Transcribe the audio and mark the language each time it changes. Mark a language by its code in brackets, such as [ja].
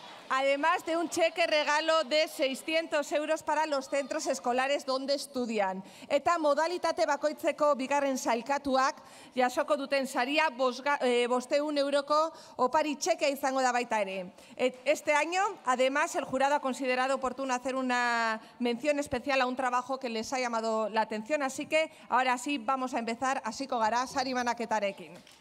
[es] Además de un cheque regalo de 600 euros para los centros escolares donde estudian. [eu] Eta modalitate bakoitzeko bigarren sailkatuak jasoko duten saria 500 euroko opari txekea izango da baita ere. [es] Este año, además, el jurado ha considerado oportuno hacer una mención especial a un trabajo que les ha llamado la atención, así que ahora sí vamos a empezar, [eu] hasiko gara sari banaketarekin.